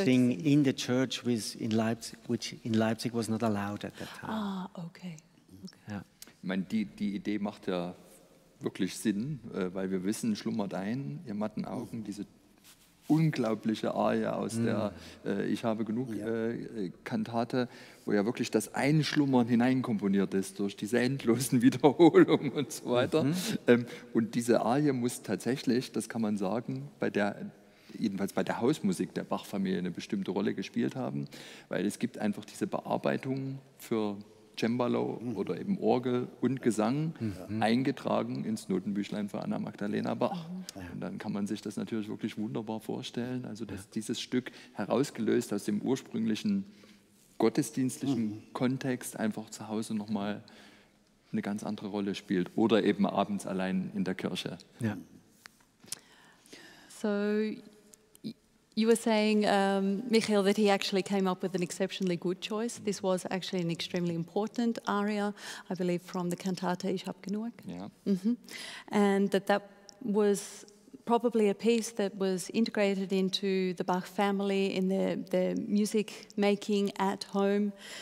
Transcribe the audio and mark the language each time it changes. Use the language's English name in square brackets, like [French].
[English] to sing in the church with in Leipzig, which in Leipzig was not allowed at that time. Ah, okay. Okay. Yeah. [German] Ich meine, die Idee macht ja wirklich Sinn, weil wir wissen, schlummert ein in matten Augen diese unglaubliche Arie aus der Ich habe genug Kantate, wo ja wirklich das Einschlummern hineinkomponiert ist durch diese endlosen Wiederholungen und so weiter. Und diese Arie muss tatsächlich, das kann man sagen, bei der Hausmusik der Bach-Familie eine bestimmte Rolle gespielt haben, weil es gibt einfach diese Bearbeitung für Cembalo oder eben Orgel und Gesang eingetragen ins Notenbüchlein für Anna Magdalena Bach. Und dann kann man sich das natürlich wirklich wunderbar vorstellen, also dass dieses Stück herausgelöst aus dem ursprünglichen gottesdienstlichen Kontext einfach zu Hause nochmal eine ganz andere Rolle spielt oder eben abends allein in der Kirche. Ja. [English] So, you were saying, Michael, that he actually came up with an exceptionally good choice. This was actually an extremely important aria, I believe, from the cantata Ich hab genug. Yeah. Mm-hmm. And that was probably a piece that was integrated into the Bach family in the music making at home.